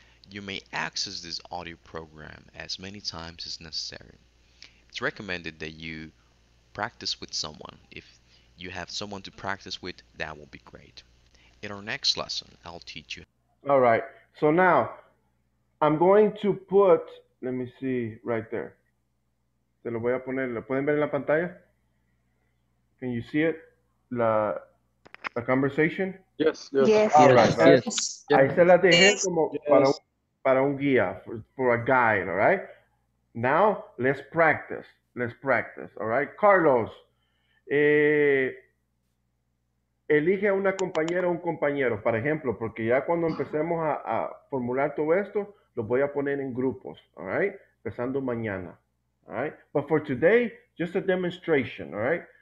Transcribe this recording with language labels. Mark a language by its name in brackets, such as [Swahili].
[English] You may access this audio program as many times as necessary. It's recommended that you practice with someone. If you have someone to practice with, that will be great. In our next lesson, I'll teach you. All right, so now I'm going to put, let me see right there. [Spanish] Se lo voy a poner, ¿lo pueden ver en la pantalla? [English] Can you see it? La conversation? Yes. All right. Yes. [Spanish] Ahí se la dejé como para un guía, [English] for a guide, [Spanish] all right? [English] Now, let's practice, all right? [Spanish] Carlos, elige a una compañera o un compañero, por ejemplo, porque ya cuando empecemos a formular todo esto, lo voy a poner en grupos, all right? Empezando mañana, all right? [English] But for today, just a demonstration, all right?